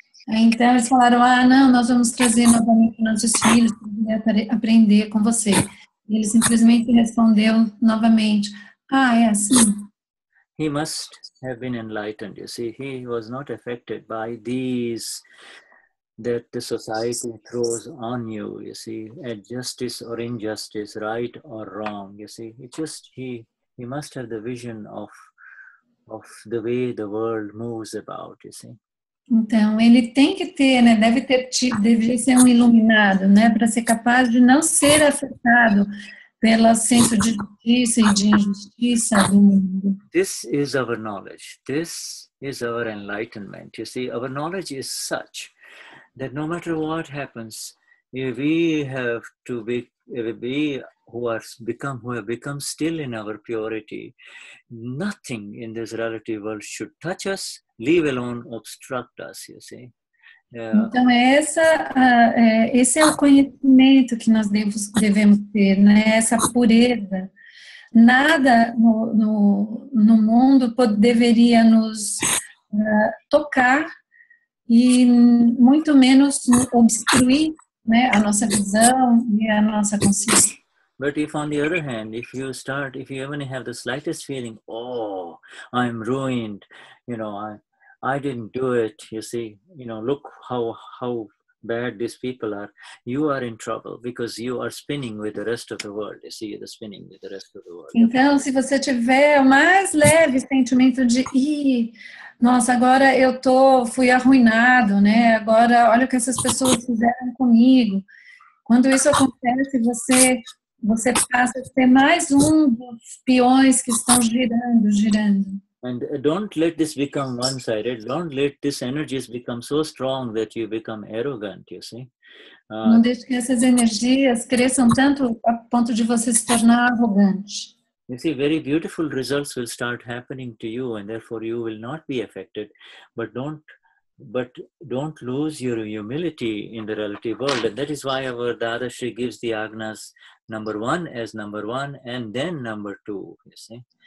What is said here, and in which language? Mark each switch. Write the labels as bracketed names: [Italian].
[Portuguese] Então eles falaram, ah, não, nós vamos trazer novamente nossos filhos para aprender com você. E ele simplesmente respondeu novamente, ah, é assim. [English] He must have been enlightened. You see, he was not affected by these that the society throws on you, you see, at justice or injustice, right or wrong, you see. It just, he must have the vision of the way the world moves about, you see. [Portuguese] Então, ele tem que ter, né, deve ser um iluminado, né, para ser capaz de não ser afetado pelo senso de justiça e de injustiça do mundo. [English] This is our knowledge. This is our enlightenment, you see. Our knowledge is such that no matter what happens, we have to be who have become still in our purity. Nothing in this relative world should touch us, leave alone obstruct us, you see. [Portuguese] Então, esse é o conhecimento que nós devemos ter, né? Essa pureza. Nada no mundo deveria nos tocar, e muito menos obstruir, né, a nossa visão e a nossa consciência. [English] But if on the other hand, if you start, if you even have the slightest feeling, oh, I'm ruined, you know, I didn't do it, you see, you know, look how bad these people are, you are in trouble because you are spinning with the rest of the world, you see, you're spinning with the rest of the world. [Portuguese] Então, se você tiver o mais leve sentimento de, nossa, agora eu tô, fui arruinado, né, agora olha o que essas pessoas fizeram comigo. Quando isso acontece, você passa a ser mais dos peões que estão girando. [English] And don't let this become one-sided. Don't let this energies become so strong that you become arrogant, you see. [Portuguese] Não deixe que essas energias cresçam tanto a ponto de você se tornar arrogante. [English] You see, very beautiful results will start happening to you and therefore you will not be affected. But don't lose your humility in the relative world. And that is why our Dadashri gives the Agnas number one as number one and then number two, you see.